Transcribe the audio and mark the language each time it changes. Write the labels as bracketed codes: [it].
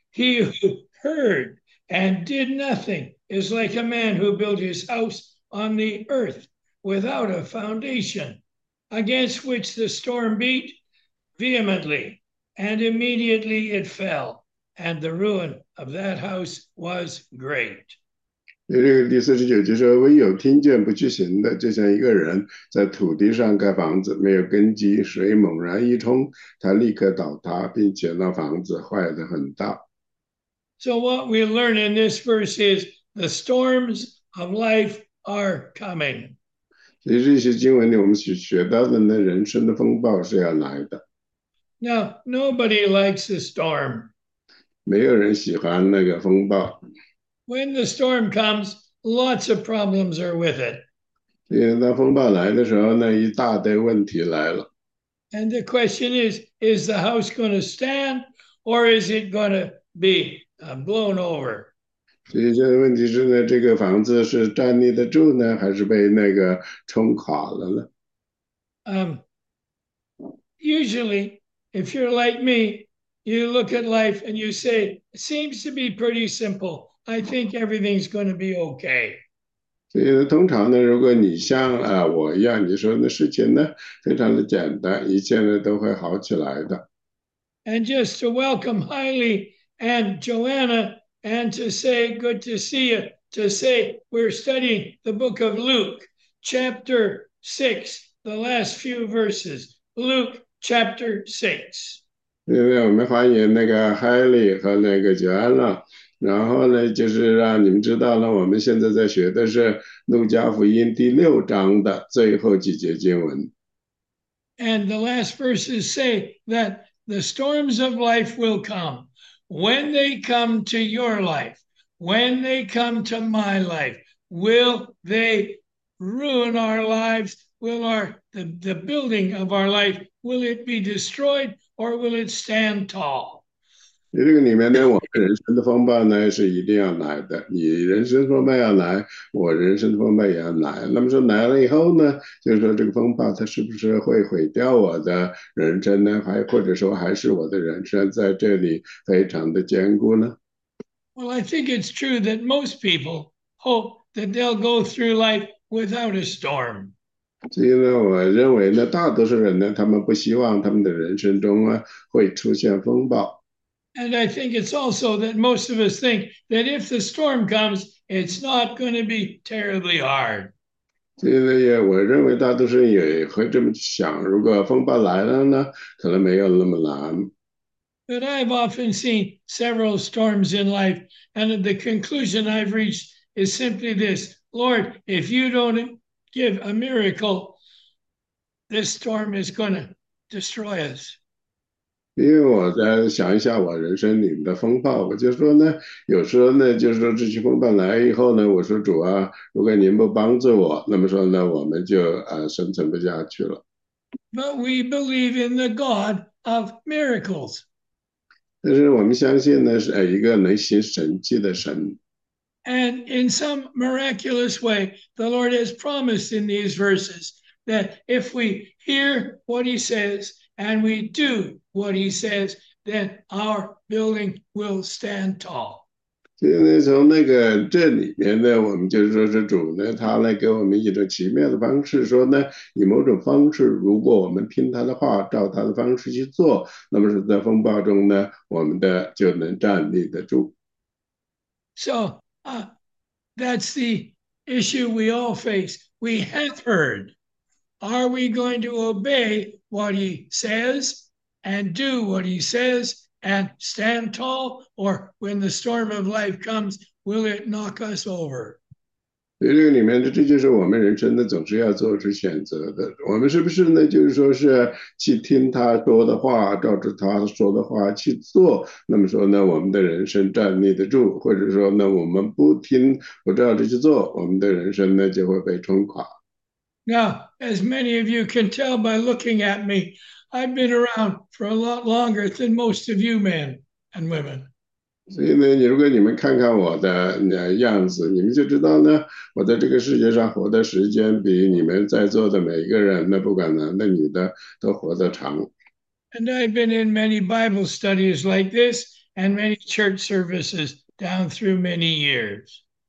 [en] He who heard and did nothing is like a man who built his house on the earth without a foundation, against which the storm beat vehemently, and immediately it fell, and the ruin of that house was great. [zh] 第49就说，唯有听见不去行的，就像一个人在土地上盖房子，没有根基，水猛然一冲，他立刻倒塌，并且那房子坏得很大。 [en] So, what we learn in this verse is the storms of life are coming. [zh] 所以这些经文里，我们学到的那人生的风暴是要来的， [en] Now, nobody likes a storm. [zh] 没有人喜欢那个风暴。 [en] When the storm comes, lots of problems are with it. [zh] 因为当风暴来的时候，那一大堆问题来了。 [en] And the question is the house going to stand or is it going to be? I'm blown over. [zh] 所以现在问题是呢，这个房子是站立得住呢，还是被那个冲垮了呢？ [en] Usually, if you're like me, you look at life and you say, it seems to be pretty simple. I think everything's going to be okay. [zh] 所以呢，通常呢，如果你像我一样，你说的事情呢，非常的简单，一切呢都会好起来的。 [en] And just to welcome highly. And Joanna, and to say, good to see you, to say, we're studying the book of Luke, chapter 6, the last few verses. Luke, chapter 6. [zh] 现在我们欢迎那个 Haley 和那个 Joanna。然后呢，就是让你们知道了，我们现在在学的是《路加福音》第6章的最后几节经文。 [en] And the last verses say that the storms of life will come. When they come to your life, when they come to my life, will they ruin our lives? Will our the building of our life, will it be destroyed or will it stand tall? [zh] 在这个里面呢，我们人生的风暴呢是一定要来的。你人生风暴要来，我人生的风暴也要来。那么说来了以后呢，就是说这个风暴它是不是会毁掉我的人生呢？还或者说还是我的人生在这里非常的坚固呢？ [en] Well, I think it's true that most people hope that they'll go through life without a storm. [zh] 所以呢，我认为呢，大多数人呢，他们不希望他们的人生中啊会出现风暴。 [en] And I think it's also that most of us think that if the storm comes, it's not going to be terribly hard. [zh] 所以呢，也我认为大多数人也会这么想。如果风暴来了呢，可能没有那么难。 [en] But I've often seen several storms in life, and the conclusion I've reached is simply this: Lord, if you don't give a miracle, this storm is going to destroy us. [zh] 因为我在想一下我人生里面的风暴，我就说呢，有时候呢，就是说这些风暴来以后呢，我说主啊，如果您不帮助我，那么说呢，我们就生存不下去了。 [en] But we believe in the God of miracles. [zh] 但是我们相信呢，是一个能行神迹的神。 [en] And in some miraculous way, the Lord has promised in these verses that if we hear what he says and we do what he says, then our building will stand tall. [zh] 所以呢，从那个这里面呢，我们就是说是主呢，他来给我们一种奇妙的方式，说呢，以某种方式，如果我们听他的话，照他的方式去做，那么是在风暴中呢，我们的就能站立得住。 [en] So, that's the issue we all face. We have heard. Are we going to obey what he says and do what he says and stand tall? Or when the storm of life comes, will it knock us over? [zh] 所以这个里面的这就是我们人生的总是要做出选择的。我们是不是呢？就是说是去听他说的话，照着他说的话去做。那么说呢，我们的人生站立得住，或者说呢，我们不听不照着去做，我们的人生呢就会被冲垮。 [en] Now, as many of you can tell by looking at me, I've been around for a lot longer than most of you men and women. [zh] 所以呢，你如果你们看看我的样子，你们就知道呢，我在这个世界上活的时间比你们在座的每一个人，那不管男的女的，都活得长。And [en] I've been in many Bible studies like this and many church services down through many years.